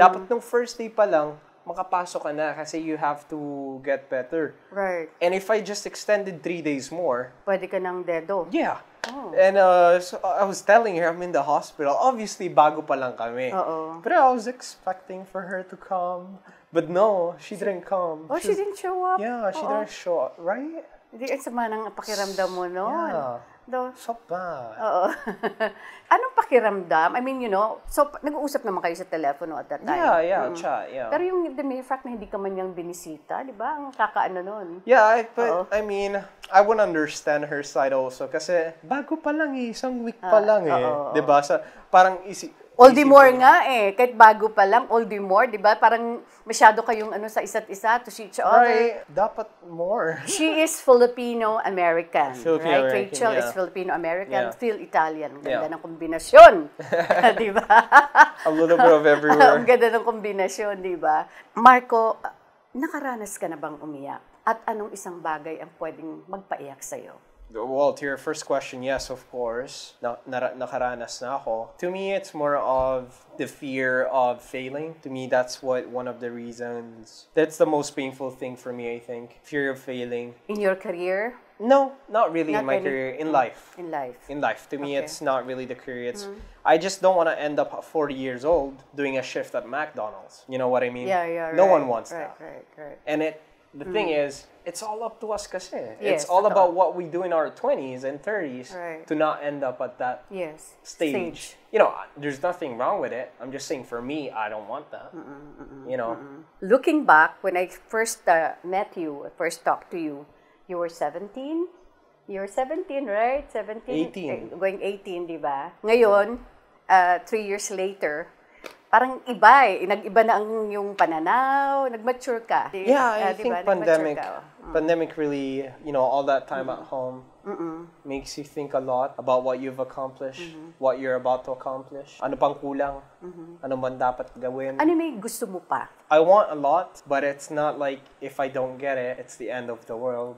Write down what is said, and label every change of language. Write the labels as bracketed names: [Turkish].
[Filipino] Dapat nung first day pa lang, makapasok ka na kasi [English] you have to get better. Right. And if I just extended 3 days more, [Filipino] pwede ka ng dedo. [English] Yeah. Oh. And so I was telling her, I'm in the hospital. [Filipino] Obviously, bago pa lang kami. [English] Uh-oh. But I was expecting for her to come. But no, she didn't come. Oh, she didn't show up? Yeah, she Uh-oh. Didn't show up, right? [Filipino] Hindi, ang sama ng pakiramdam mo noon. [English] Yeah. So bad. [Filipino] Uh-oh. Anong pakiramdam? [English] I mean, you know, [Filipino] so nag-uusap naman kayo sa telepono [English] at that time. Yeah, yeah, mm-hmm. Chat, yeah. [Filipino] Pero yung [English] the mere fact [Filipino] na hindi ka man niyang binisita, di ba? Ang kakaano noon. [English] Yeah, but Uh-oh. I mean... I wouldn't understand her side also [Filipino] kasi bago pa lang eh, isang week pa lang eh. Diba? Sa, parang isi... Oldie more nga eh. Kahit bago pa lang, oldie more, diba? Parang masyado kayong ano sa isa't isa [English] to see each other. Right. [Filipino] Dapat more. [English] She is Filipino-American. Filipino-American, right? American, Rachel yeah. is Filipino-American. Yeah. [Filipino] Fil-Italian. Ganda ng kombinasyon. Diba? [English] A little bit of everywhere. [Filipino] Ang ganda ng kombinasyon, diba? Marco, nakaranas ka na bang umiyak? At anong isang bagay ang pwedeng magpaiyak sa'yo? [English] Well, to your first question, yes, of course. [Filipino] Nakaranas na ako. [English] To me, it's more of the fear of failing. To me, that's what one of the reasons. That's the most painful thing for me, I think. Fear of failing. In your career? No, not really not in my really. Career. In life. In life. In life. To me, it's not really the career. It's, I just don't want to end up at 40 years old doing a shift at McDonald's. You know what I mean? Yeah, yeah, no right. one wants right, that. Right, right, right. And it, the thing is, it's all up to us kasi. Yes, it's all about what we do in our 20s and 30s right. to not end up at that stage. You know, there's nothing wrong with it. I'm just saying for me, I don't want that. Mm-mm, mm-mm, you know? Mm-mm. Looking back, when I first met you, first talked to you, you were 17? You were 17, right? 17? 18. [Filipino] Going 18, di ba? Ngayon, [English] 3 years later, [Filipino] parang iba eh. Nag-iba na ang yung pananaw. Nag-mature ka. [English] Yeah, I think [Filipino] diba? [English] Pandemic. Pandemic really, you know, all that time at home makes you think a lot about what you've accomplished, what you're about to accomplish. [Filipino] Ano pang kulang? Ano man dapat gawin? Ano may gusto mo pa? [English] I want a lot, but it's not like if I don't get it, it's the end of the world.